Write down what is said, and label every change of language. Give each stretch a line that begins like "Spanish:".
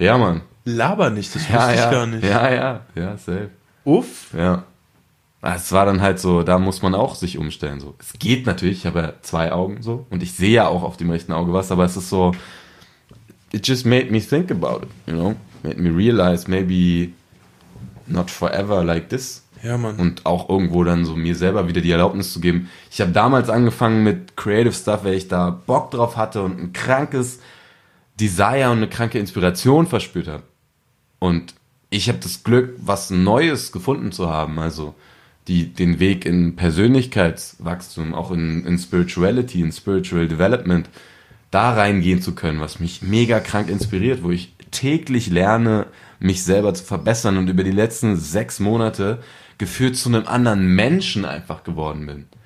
German: Ja, Mann. Laber nicht, das wusste ja, ich gar nicht. Ja, ja, ja, safe. Uff. Ja. Es war dann halt so, da muss man auch sich umstellen. So. Es geht natürlich, ich habe ja zwei Augen so und ich sehe ja auch auf dem rechten Auge was, aber es ist so,
English: it just made me think about it, you know? Made me realize, maybe not forever like this.
German: Ja, Mann. Und auch irgendwo dann so mir selber wieder die Erlaubnis zu geben. Ich habe damals angefangen mit Creative Stuff, weil ich da Bock drauf hatte und ein krankes Desire und eine kranke Inspiration verspürt habe. Und ich habe das Glück, was Neues gefunden zu haben, also den Weg in Persönlichkeitswachstum, auch in Spirituality, in Spiritual Development, da reingehen zu können, was mich mega krank inspiriert, wo ich täglich lerne, mich selber zu verbessern und über die letzten 6 Monate gefühlt zu einem anderen Menschen einfach geworden bin.